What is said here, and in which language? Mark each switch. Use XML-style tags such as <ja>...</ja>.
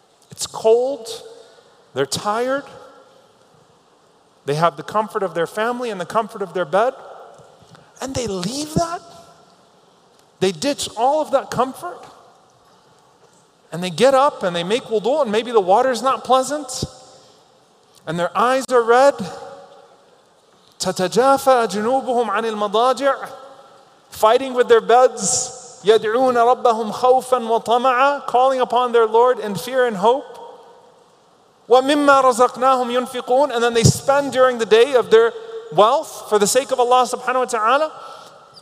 <en>It's cold. They're tired. They have the comfort of their family and the comfort of their bed. And they leave that. They ditch all of that comfort. And they get up and they make wudu, and maybe the water's not pleasant. And their eyes are red.</en> <ar>تَتَجَافَ أَجْنُوبُهُمْ عَنِ الْمَضَاجِعِ.</ar> <en>Fighting with their beds.</en> <ar>يَدْعُونَ رَبَّهُمْ خَوْفًا وَطَمَعًا.</ar> <en>Calling upon their Lord in fear and hope.</en> <ar>وَمِمَّا رَزَقْنَاهُمْ يُنْفِقُونَ.</ar> <en>And then they spend during the day of their wealth for the sake of Allah subhanahu wa ta'ala.</en>